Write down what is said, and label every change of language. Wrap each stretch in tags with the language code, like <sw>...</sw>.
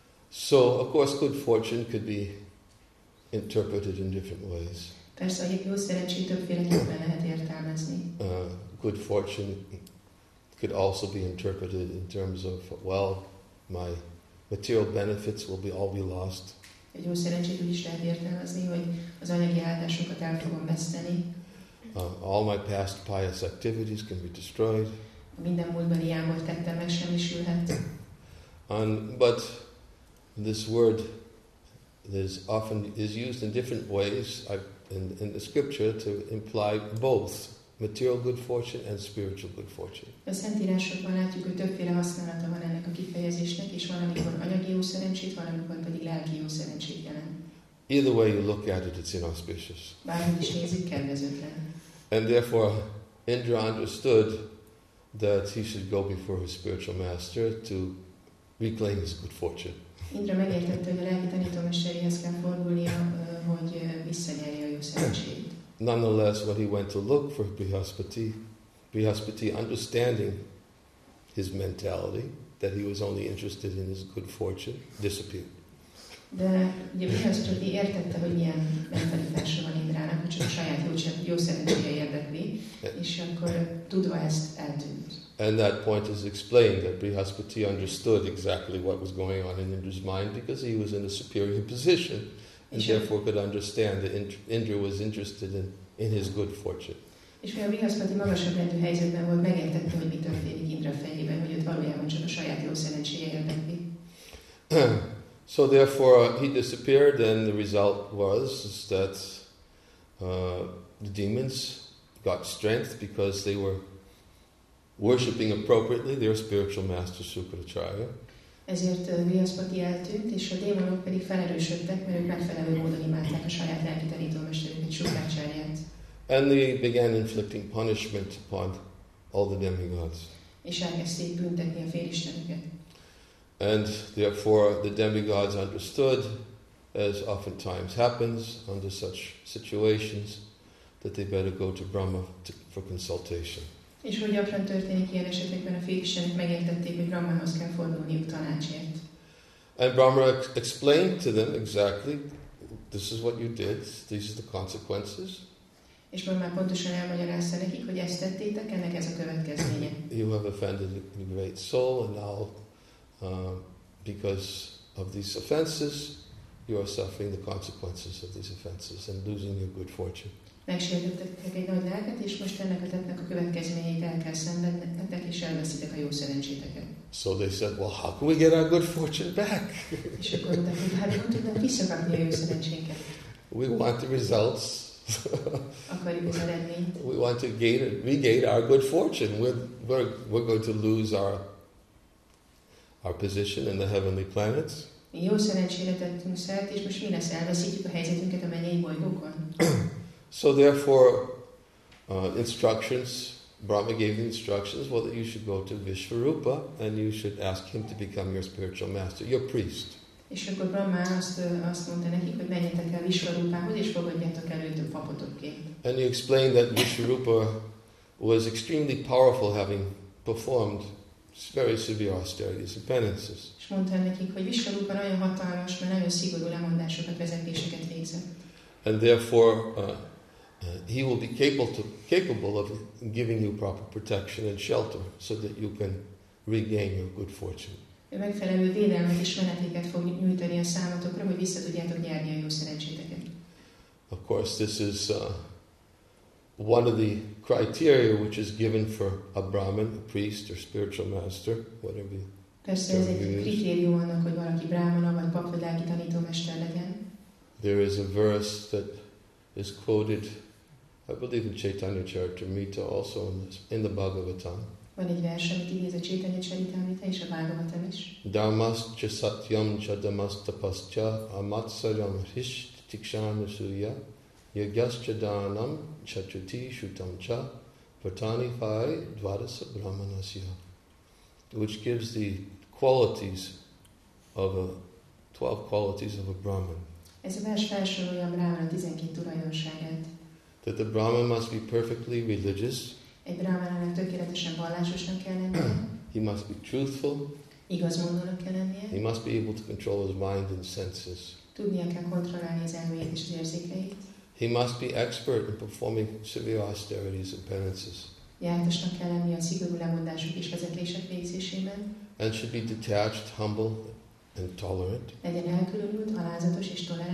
<en>So, of course, good fortune could be interpreted in different ways.</en> <hu>Persze, hogy jó szerencsét többféle nyelven lehet értelmezni.</hu> <en>Good fortune could also be interpreted in terms of, well, my material benefits will be all be lost.</en> <hu>Egy jó szerencsét úgy is lehet értelmezni, hogy az anyagi áldásokat el fogom veszteni.</hu> <en>All my past pious activities can be destroyed.</en> <hu>Minden múltban ilyenból tettem megsemmisülhet.</hu> <en>But this word is often is used in different ways in the scripture to imply both material good fortune and spiritual good fortune.</en> <hu>A Szentírásokban látjuk, hogy többféle használata van ennek a kifejezésnek, és valamikor anyagi jó szerencsét, valamikor pedig lelki jó szerencsét jelent.</hu> <en>Either way you look at it, it's inauspicious.</en> <hu>Bármit is nézik, kedvezőtlen.</hu> <en>And therefore, Indra understood that he should go before his spiritual master to reclaim his good fortune.</en> <hu>Indra megértette, hogy a lelki tanítómesterhez kell fordulnia, hogy visszanyerje a jó szerencsét.</hu> <en>Nonetheless, when he went to look for Brihaspati, understanding his mentality, that he was only interested in his good fortune, disappeared.</en> <hu>De ugye Brihaspati értette, hogy milyen mentalitása van Indrának, hogy csak a saját jó szerencséje érdekli, és akkor tudva ezt eltűnt.</hu> <en>And that point is explained that Brihaspati understood exactly what was going on in Indra's mind because he was in a superior position and therefore could understand that Indra was interested in his good fortune.</en> <hu>És mivel Brihaspati magasabb rendű helyzetben volt, megértette, hogy mi történik Indra fejében, hogy ott valójában csak a saját jó szerencséje érdekli.</hu> <en>So therefore he disappeared, and the result was that the demons got strength because they were worshipping appropriately their spiritual master Sukracharya.</en> <hu>Ezért Brihaspati eltűnt, és a démonok pedig felerősödtek, mert ők megfelelő módon imádták a saját lelki tanítómesterüket, Sukracharyát.</hu> <en>And they began inflicting punishment upon all the demigods.</en> <hu>És elkezdték büntetni a félisteneket.</hu> <en>And therefore the demigods understood, as oftentimes happens under such situations, that they better go to Brahma for consultation.</en> <hu>És hogy gyakran történik ilyen esetekben, a félistenek megértették, hogy Brahmahoz kell fordulniuk tanácsért.</hu> <en>And Brahma explained to them exactly, this is what you did, these are the consequences.</en> <hu>És Brahma pontosan elmagyarázta nekik, hogy ezt tettétek, ennek ez a következménye.</hu> <en>You have offended a great soul, and now because of these offenses, you are suffering the consequences of these offenses and losing your good fortune.</en> <hu>Megsértettek egy nagy lelket, és most ennek a tettnek a következményeit el kell szenvednetek, és elveszitek a jó szerencséteket.</hu> <en>So they said, well, how can we get our good fortune back?</en> <hu>És akkor mondták, hogy hát hogy tudnak visszakapni a jó szerencséket?</hu> <en>We want the results.</en> <hu>Akarjuk az eredményt.</hu> <en>We want to regain our good fortune. We're going to lose our position in the heavenly planets.</en> <hu>Mi jó szerencsére tettünk szert, és most mi lesz? Elveszítjük a helyzetünket a mennyei bolygókon.</hu> <en>So therefore, instructions, Brahma gave the instructions, well, that you should go to Vishvarupa and you should ask him to become your spiritual master, your priest.</en> <hu>És akkor Brahma azt mondta nekik, hogy menjetek el Vishvarupához, és fogadjátok el őt a papotokként.</hu> <en>And he explained that Vishvarupa was extremely powerful, having performed very severe austerities and penances.</en> <hu>És mondta nekik, hogy Vishvarupa nagyon hatalmas, mert nagyon szigorú lemondásokat, vezetéseket végzett.</hu> <en>And therefore, he will be capable of giving you proper protection and shelter so that you can regain your good fortune.</en> <hu>Ő megfelelő védelmet és menetéket fog nyújtani a számotokra, hogy vissza tudjátok nyerni a jó szerencséteket.</hu> <en>Of course, this is one of the criteria which is given for a Brahmin, a priest or spiritual master, whatever you</en> <hu>persze ez egy kritérium annak, hogy valaki brahmana vagy pap vagy lelki tanítómester legyen.</hu> <en>There is a verse that is quoted, I believe, in Chaitanya Charitamrita, also in the Bhagavatam.</en> <hu>Van egy vers, amit idéz a Chaitanya Charitamrita és a Bhagavatam is.</hu> <sa>Dharmascha satyam cha dhammastapascha amatsaram hrishtikshanasuya yagyascha dhanam cha chuti shutam cha vartani phai dvadasa brahmanasya,</sa> <en>which gives the qualities of a 12 qualities of a Brahman.</en> <hu>Ez a vers felsorolja a brahmana 12 tulajdonságát.</hu> <en>That the Brahman must be perfectly religious.</en> <hu>Egy brahmanának tökéletesen vallásosnak kell lennie.</hu> <en>He must be truthful.</en> <hu>Igazmondónak kell lennie.</hu> <en>He must be able to control his mind and senses.</en> <hu>Tudnia kell kontrollálni az elmét és az érzékeit.</hu> <en>He must be expert in performing severe austerities and penances.</en> <hu>Jártasnak kell lennie a szigorú lemondások és vezetések végzésében.</hu> <en>And should be detached, humble, and tolerant.</en> <hu>Legyen elkülönült, alázatos és tolerant.</hu>